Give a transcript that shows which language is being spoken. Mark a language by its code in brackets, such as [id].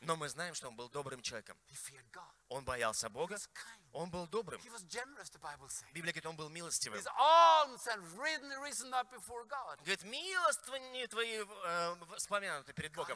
[ru] Но мы знаем, что он был добрым человеком. [en] He feared God. [ru] Он боялся Бога. [en] He was kind. [ru] Он был добрым. [en] He was generous, the Bible says. [ru] Библия говорит, он был милостивым. [en] His alms and written risen up before God. [ru] Говорит, милостыни твои вспомянуты перед Богом.